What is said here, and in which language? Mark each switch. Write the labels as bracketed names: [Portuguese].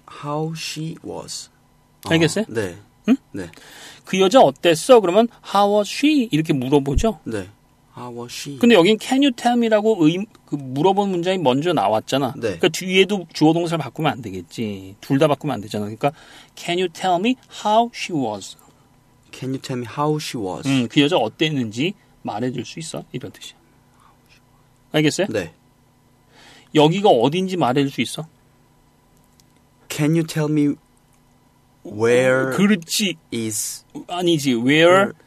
[English] How she was. [Korean] 알겠어요? 네. 네. 그 여자 어땠어? 그러면 [English] How was she? [Korean] 이렇게 물어보죠. [English] 네. How was she? [Korean] 근데 여긴 [English] Can you tell me [Korean] 라고 그 물어본 문장이 먼저 나왔잖아. 네. 그러니까 뒤에도 주어 동사를 바꾸면 안 되겠지. 둘 다 바꾸면 안 되잖아. 그러니까 [English] Can you tell me how she was? Can you tell me how she was? [Korean] 그 여자 어땠는지 말해줄 수 있어? 이런 뜻이야. 알겠어요? 네. 여기가 어딘지 말해줄 수 있어? [English] Can you tell me where [Korean] 그렇지. [English] is [Korean] 아니지 [English] where or...